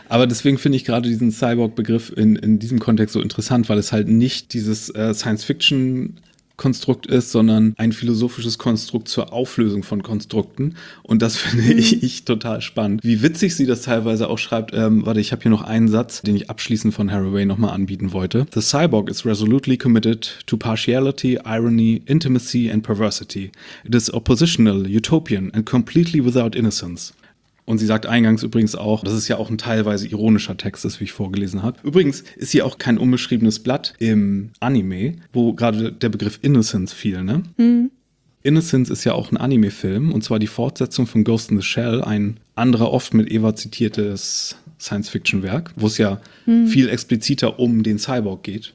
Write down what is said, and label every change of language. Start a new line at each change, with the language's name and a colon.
German: Aber deswegen finde ich gerade diesen Cyborg-Begriff in diesem Kontext so interessant, weil es halt nicht dieses Science-Fiction-Konstrukt ist, sondern ein philosophisches Konstrukt zur Auflösung von Konstrukten. Und das finde ich total spannend. Wie witzig sie das teilweise auch schreibt. Warte, ich habe hier noch einen Satz, den ich abschließend von Haraway nochmal anbieten wollte.
English: The cyborg is resolutely committed to partiality, irony, intimacy and perversity. It is oppositional, utopian and completely without innocence.
German: Und sie sagt eingangs übrigens auch, dass es ja auch ein teilweise ironischer Text ist, wie ich vorgelesen habe. Übrigens ist hier auch kein unbeschriebenes Blatt im Anime, wo gerade der Begriff Innocence fiel, ne? Innocence ist ja auch ein Anime-Film und zwar die Fortsetzung von Ghost in the Shell, ein anderer oft mit Eva zitiertes Science-Fiction-Werk, wo es ja viel expliziter um den Cyborg geht.